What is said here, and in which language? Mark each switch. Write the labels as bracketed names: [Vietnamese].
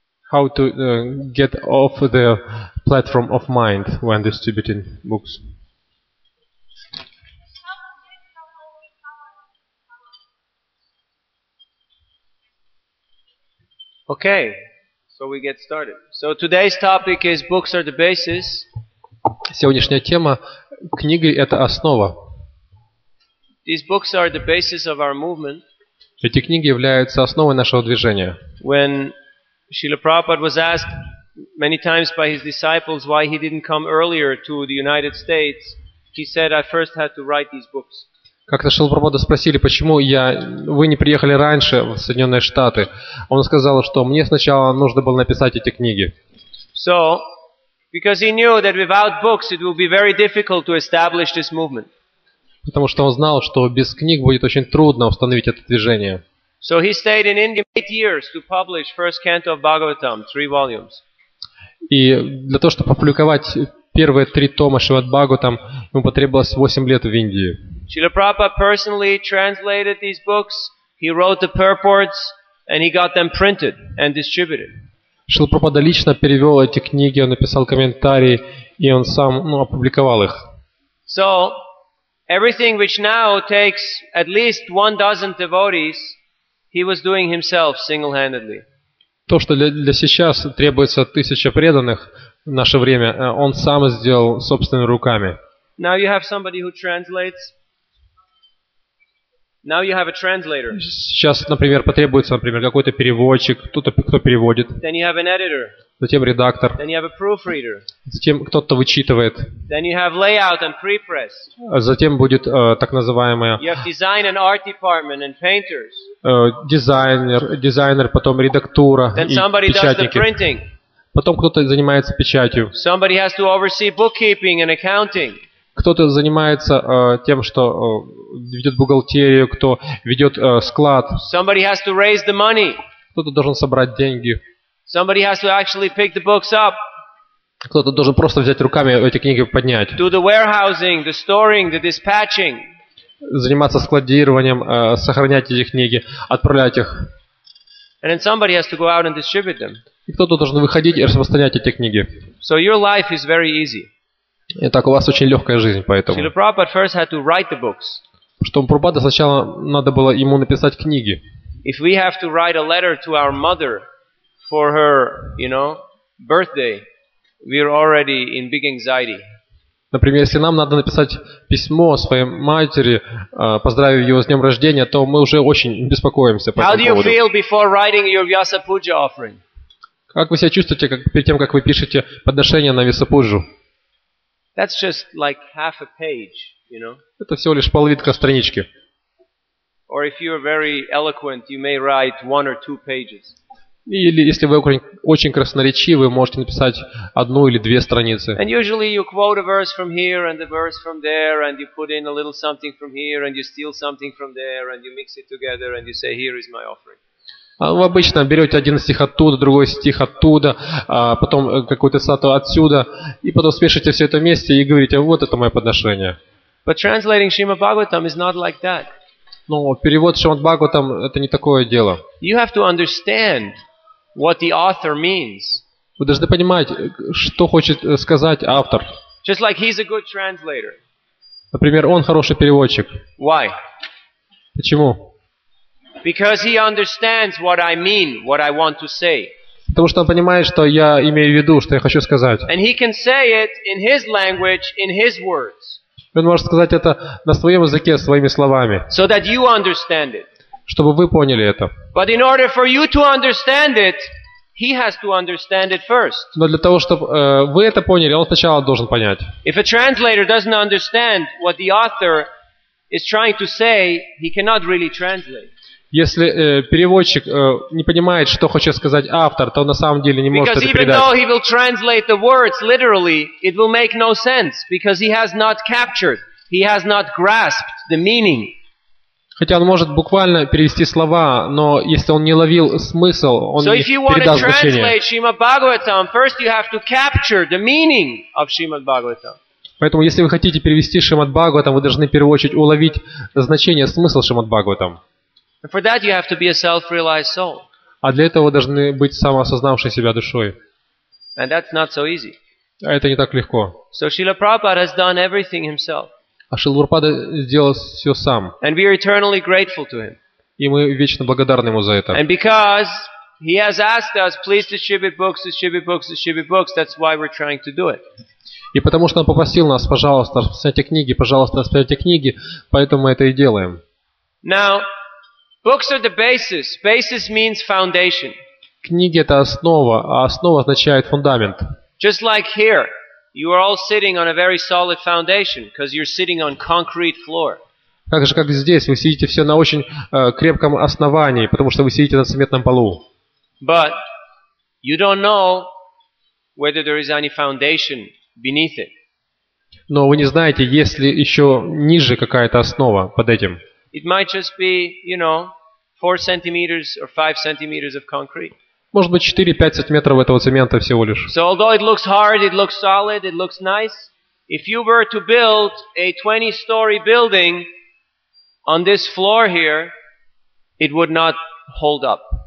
[English] How to get off the platform of mind when distributing books? Okay, so we get started. So today's topic is books are the basis. [Russian] Сегодняшняя тема – книги – это основа. [English] These books are the basis of our movement. [Russian] Эти книги являются основой нашего движения. [English] When Srila Prabhupada was asked many times by his disciples why he didn't come earlier to the United States, he said, I first had to write these books. [Russian] Как-то Шрила Прабхупада спросили, почему вы не приехали раньше в Соединенные Штаты. Он сказал, что мне сначала нужно было написать эти книги. [English] So, because he knew that without books it will be very difficult to establish this movement. [Russian] Потому что он знал, что без книг будет очень трудно установить это движение. [English] So he stayed in India 8 years to publish first canto of Bhagavatam, 3 volumes. [Russian] И для того, чтобы опубликовать первые 3 тома Шривад-Бхагаватам, ему потребовалось 8 лет в Индии. [English] Srila Prabhupada personally translated these books. He wrote the purports and he got them printed and distributed. [Russian] Шрила Прабхупада лично перевел эти книги, он написал комментарии и он сам, опубликовал их. [English] So, everything which now takes at least 1 dozen devotees, he was doing himself single-handedly. [Russian] То, что для сейчас требуется 1000 преданных в наше время, он сам сделал собственными руками. [English] Now you have somebody who translates. Now you have a translator. [Russian] Сейчас, например, потребуется, какой-то переводчик, кто переводит. [English] Then you have an editor. [Russian] Затем редактор. [English] Then you have a proofreader. [Russian] Затем кто-то вычитывает. [English] Then you have layout and prepress. [Russian] Затем будет так называемая. [English] You have design and art department and painters. [Russian] Дизайнер, потом редактура и печатники. [English] Then somebody does the printing. [Russian] Потом кто-то занимается печатью. [English] Somebody has to oversee bookkeeping and accounting. [Russian] Кто-то занимается тем, что ведет бухгалтерию, кто ведет склад. [English] Somebody has to raise the money. [Russian] Кто-то должен собрать деньги. [English] Somebody has to actually pick the books up. [Russian] Кто-то должен просто взять руками эти книги поднять. [English] Do the warehousing, the storing, the dispatching. [Russian] Заниматься складированием, сохранять эти книги, отправлять их. [English] And then somebody has to go out and distribute them. [Russian] И кто-то должен выходить и распространять эти книги. [English] So your life is very easy. [Russian] Итак, у вас очень легкая жизнь, поэтому. [English] Srila Prabhupada first had to write the books. [Russian] Чтобы Прабхупада сначала надо было ему написать книги. [English] If we have to write a letter to our mother for her, birthday, we are already in big anxiety. [Russian] Например, если нам надо написать письмо своей матери, поздравив ее с днем рождения, то мы уже очень беспокоимся по этому поводу. [English] How do you feel before writing your Vyasa Puja offering? [Russian] Как вы себя чувствуете, перед тем, как вы пишете подношение на Вьясапуджу? [English] That's just like half a page, you know. [Russian] Это всего лишь половинка странички. [English] Or if you are very eloquent, you may write 1 or 2 pages. [Russian] Или если вы очень красноречивы, можете написать 1 или 2 страницы. [English] And usually you quote a verse from here and a verse from there, and you put in a little something from here, and you steal something from there, and you mix it together, and you say, here is my offering. [Russian] Вы обычно берете 1 стих оттуда, 2 стих оттуда, потом какую-то сату отсюда, и потом смешиваете все это вместе и говорите, вот это мое подношение. [English] But translating Srimad Bhagavatam is not like that. [Russian] Но перевод Шримад Бхагаватам это не такое дело. [English] You have to understand what the author means. [Russian] Вы должны понимать, что хочет сказать автор. [English] Just like he's a good translator. [Russian] Например, он хороший переводчик. [English] Why? [Russian] Почему? [English] Because he understands what I mean, what I want to say. [Russian] Потому что он понимает, что я имею в виду, что я хочу сказать. [English] And he can say it in his language, in his words. [Russian] Он может сказать это на своем языке, своими словами. [English] So that you understand it. [Russian] Чтобы вы поняли это. [English] But in order for you to understand it, he has to understand it first. [Russian] Но для того, чтобы вы это поняли, он сначала должен понять. [English] If a translator doesn't understand what the author is trying to say, he cannot really translate. [Russian] Если переводчик не понимает, что хочет сказать автор, то он на самом деле не может [English] because [Russian] это передать. [English] Because even though he will translate the words literally, it will make no sense because he has not captured, he has not grasped the meaning. [Russian] Хотя он может буквально перевести слова, но если он не ловил смысл, он [English] so [Russian] не передаст значение. [English] So if you want to translate Srimad Bhagavatam, first you have to capture the meaning of Srimad Bhagavatam. [Russian] Поэтому, если вы хотите перевести Шримад Бхагаватам, вы должны в первую очередь уловить значение, смысл Шримад Бхагаватам. [English] And for that you have to be a self-realized soul. [Russian] А для этого вы должны быть самоосознавшей себя душой. [English] And that's not so easy. [Russian] А это не так легко. [English] So Srila Prabhupada has done everything himself. [Russian] А Шрила Прабхупада сделал все сам. [English] And we are eternally grateful to him. [Russian] И мы вечно благодарны ему за это. [English] And because he has asked us, please distribute books, distribute books, distribute books, that's why we're trying to do it. [Russian] И потому что он попросил нас, пожалуйста, распространяйте книги, пожалуйста, распространяйте книги, поэтому мы это и делаем. [English] Now, books are the basis. Basis means foundation. [Russian] Книги это основа, а основа означает фундамент. [English] Just like here, you are all sitting on a very solid foundation because you're sitting on concrete floor. [Russian] Так же как здесь, вы сидите все на очень крепком основании, потому что вы сидите на цементном полу. [English] But you don't know whether there is any foundation beneath it. [Russian] Но вы не знаете, есть ли еще ниже какая-то основа под этим. [English] It might just be, you know, 4 centimeters or 5 centimeters of concrete. [Russian] Может быть, 4-5 сантиметров этого цемента всего лишь. [English] So although it looks hard, it looks solid, it looks nice, if you were to build a 20-story building on this floor here, it would not hold up.